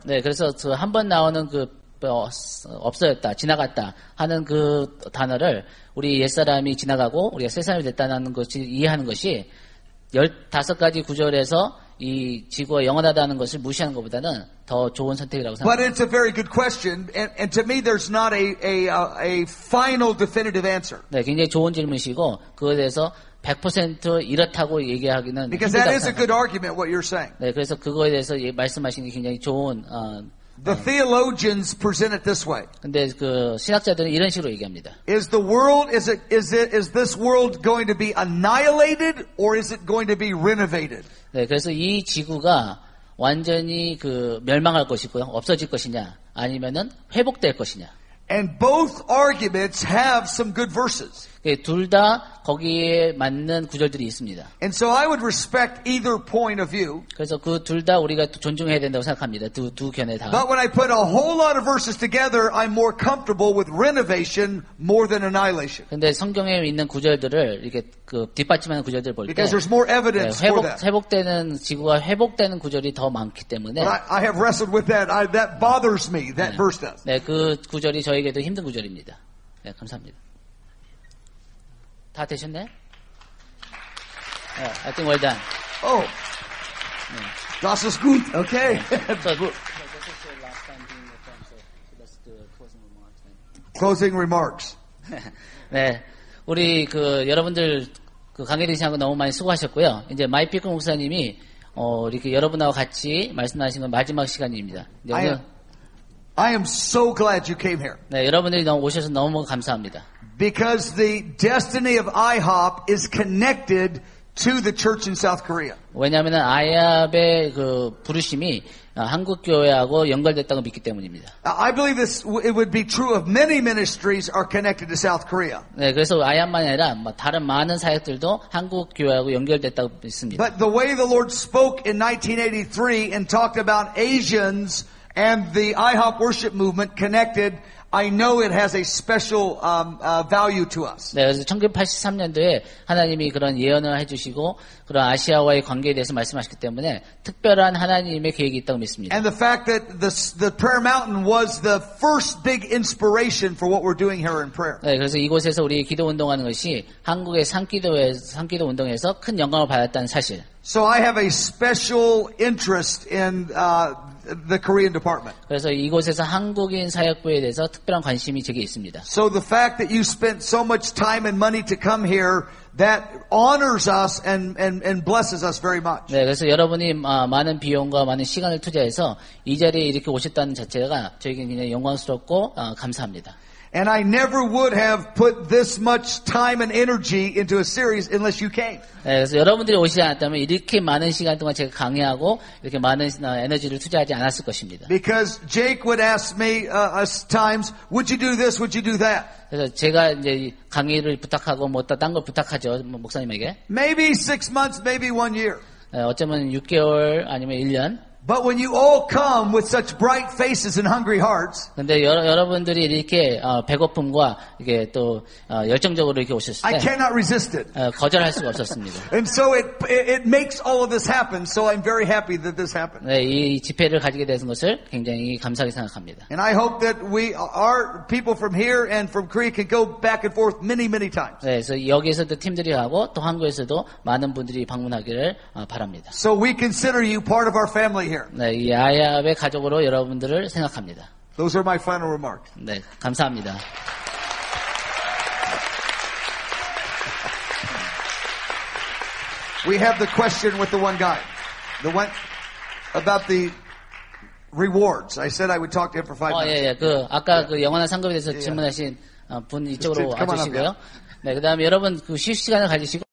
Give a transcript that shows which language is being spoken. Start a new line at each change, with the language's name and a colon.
Korean: 네, 그래서 그 한 번 나오는 그 없어졌다, 지나갔다 하는 그 단어를 우리 옛사람이 지나가고 우리가 새사람이 됐다는 것을 이해하는 것이 15가지 구절에서 이 지구가 영원하다는 것을 무시하는 것보다는 더 좋은 선택이라고 생각합니다.
English: But it's a very good question and to me there's not a final definitive answer.
Korean: 네, 굉장히 좋은 질문이시고 그것에 대해서 100% 이렇다고 얘기하기는
English: Because that is a good argument what you're saying.
Korean: 네, 그래서 그거에 대해서 말씀하시는 게 굉장히 좋은
English: The theologians present it this way.
Korean: 근데 그 신학자들은 이런 식으로 얘기합니다.
English: Is the world is this world going to be annihilated or is it going to be renovated?
Korean: 네, 그래서 이 지구가 완전히 그 멸망할 것이고요. 없어질 것이냐 아니면은 회복될 것이냐.
English: And both arguments have some good verses.
Korean: 예, 둘 다 거기에 맞는 구절들이 있습니다.
English: And so I would respect either point of view.
Korean: 그래서 그 둘 다 우리가 존중해야 된다고 생각합니다. 두 견해 다.
English: But when I put a whole lot of verses together, I'm more comfortable with renovation more than annihilation.
Korean: 근데 성경에 있는 구절들을 이렇게 그 뒷받침하는 구절들 볼 때
English: Because there's more evidence 예,
Korean: 회복,
English: for that.
Korean: 회복되는 지구가 회복되는 구절이 더 많기 때문에
English: But I have wrestled with that. That bothers me. That verse does.
Korean: 네, 그 구절이 저에게도 힘든 구절입니다. 네, 감사합니다. 다 되셨네?
English: Yeah, I think well done. Oh, yeah. That's good. Okay. So good. Closing remarks.
Korean: 네, 우리 그 여러분들 그 강의 대신하고 너무 많이 수고하셨고요. 이제 마이피크 목사님이 이렇게 여러분하고 같이 말씀하신 건 마지막 시간입니다. 오늘
English: I am so glad you came here.
Korean: 네, 여러분들이 너무 오셔서 너무 감사합니다.
English: Because the destiny of IHOP is connected to the church in South Korea.
Korean: 왜냐하면 IHOP의 그 부르심이 한국 교회하고 연결됐다고 믿기 때문입니다.
English: I believe this it would be true of many ministries are connected to South Korea.
Korean: 네, 그래서 IHOP만 아니라 다른 많은 사역들도 한국 교회하고 연결됐다고 믿습니다.
English: But the way the Lord spoke in 1983 and talked about Asians and the IHOP worship movement connected I know it has a special value to us.
Korean: 네, 1983년도에 하나님이 그런 예언을 해 주시고 그런 아시아와의 관계에 대해서 말씀하셨기 때문에 특별한 하나님의 계획이 있다고 믿습니다.
English: And the fact that the prayer mountain was the first big inspiration for what we're doing here in prayer.
Korean: 네, 그래서 이곳에서 우리 기도 운동하는 것이 한국의 산기도 운동에서 큰 영감을 받았다는 사실.
English: So I have a special interest in the Korean department.
Korean: 그래서 이곳에서 한국인 사역부에 대해서 특별한 관심이 제게 있습니다.
English: So the fact that you spent so much time and money to come here that honors us and blesses us very much.
Korean: 네, 그래서 여러분이 많은 비용과 많은 시간을 투자해서 이 자리에 이렇게 오셨다는 자체가 저에게는 굉장히 영광스럽고 감사합니다.
English: And I never would have put this much time and energy into a series unless you came.
Korean: 네, 그래서 여러분들이 오시지 않았다면 이렇게 많은 시간 동안 제가 강의하고 이렇게 많은 에너지를 투자하지 않았을 것입니다.
English: Because Jake would ask me times, would you do this? Would you do that?
Korean: 그래서 제가 이제 강의를 부탁하고 뭐 다른 걸 부탁하죠 목사님에게.
English: Maybe 6 months, maybe 1 year.
Korean: 네, 어쩌면 6개월 아니면 1년.
English: But when you all come with such bright faces and hungry hearts,
Korean: 근데 여러분들이 이렇게 배고픔과 이게 또 열정적으로 이렇게 오셨을 때,
English: I cannot resist it.
Korean: 거절할 수가 없었습니다.
English: And so it makes all of this happen. So I'm very happy that this happened.
Korean: 네, 이 집회를 가지게 된 것을 굉장히 감사하게 생각합니다.
English: And I hope that we our people from here and from Korea can go back and forth many, many times.
Korean: 네, 그래서 여기에서도 팀들이 하고 또 한국에서도 많은 분들이 방문하기를 바랍니다.
English: So we consider you part of our family.
Korean: 네, 이 아야의 가족으로 여러분들을 생각합니다.
English: Those are my final remarks.
Korean: 네, 감사합니다.
English: We have the question with the one guy, the one about the rewards. I said I would talk to him for five minutes.
Korean: 예, 그 아까 그 영원한 상급에 대해서 질문하신 분 이쪽으로 와주시고요. 네, 그다음에 여러분 그 쉬는 시간을 가지시고.